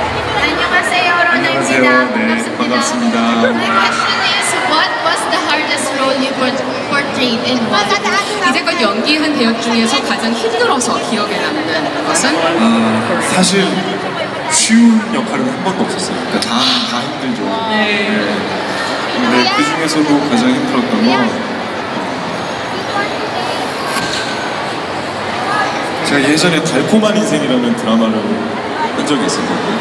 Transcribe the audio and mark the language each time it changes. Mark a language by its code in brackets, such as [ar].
[ko] 안녕하세요, 로나입니다. 반갑습니다. [en] My question is, what was the hardest role you portrayed in one? [ko] 이제껏 연기한 배역 중에서 가장 힘들어서 기억에 남는 것은? 사실 쉬운 역할은 한 번도 없었어요. 그러니까 다 힘들죠. 네. 근데 그 중에서도 가장 힘들었던 건 제가 예전에 달콤한 인생이라는 드라마를 한 적이 있었거든요.